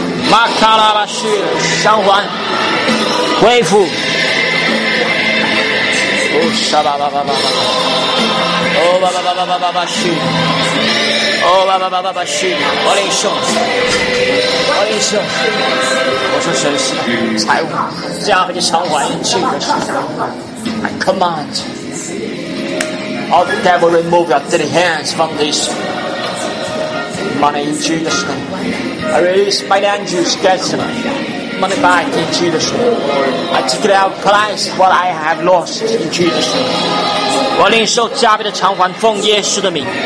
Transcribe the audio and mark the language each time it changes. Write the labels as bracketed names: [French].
[Chinese] 马卡拉巴西，偿还，恢复。哦，沙巴巴巴巴巴。哦，巴巴巴巴巴巴巴西。哦，巴巴巴巴巴西，我领受。我领受。我说神是财务加倍偿还，这个是 [English] I command all the devil remove your dirty hands from this money in Jesus name. I release my angels get some money back in Jesus name. I take it out Christ what I have lost in Jesus name. [Chinese] 我领受加倍的偿还，奉耶稣的名。